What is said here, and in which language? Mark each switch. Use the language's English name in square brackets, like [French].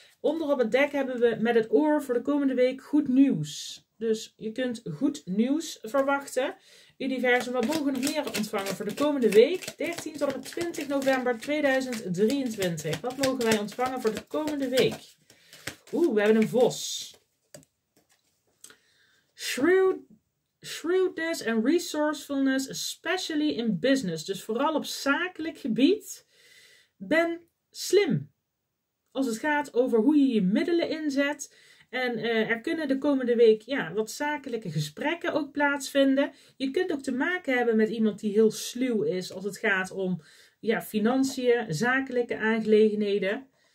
[Dutch] Onder op het dek hebben we met het oor voor de komende week goed nieuws. Dus je kunt goed nieuws verwachten. Universum, wat mogen we meer ontvangen voor de komende week? 13 tot en met 20 november 2023. Wat mogen wij ontvangen voor de komende week? Oeh, we hebben een vos. [English] Shrewdness and resourcefulness, especially in business. [Dutch] Dus vooral op zakelijk gebied. Ben slim. Als het gaat over hoe je je middelen inzet. En er kunnen de komende week wat zakelijke gesprekken ook plaatsvinden. Je kunt ook te maken hebben met iemand die heel sluw is. Als het gaat om financiën, zakelijke aangelegenheden.